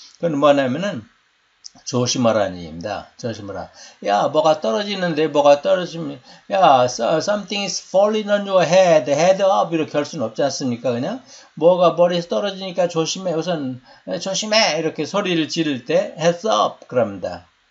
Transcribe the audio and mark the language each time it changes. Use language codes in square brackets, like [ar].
[ko] 그건 뭐냐면은 조심하라는 얘기입니다. 조심하라. 야, 뭐가 떨어지는데, 뭐가 떨어지면, 야, [en] something is falling on your head, head up. [ko] 이렇게 할 수는 없지 않습니까? 그냥, 뭐가 머리에서 떨어지니까 조심해. 우선, 조심해. 이렇게 소리를 지를 때, [en] heads up. [ko] 그럽니다.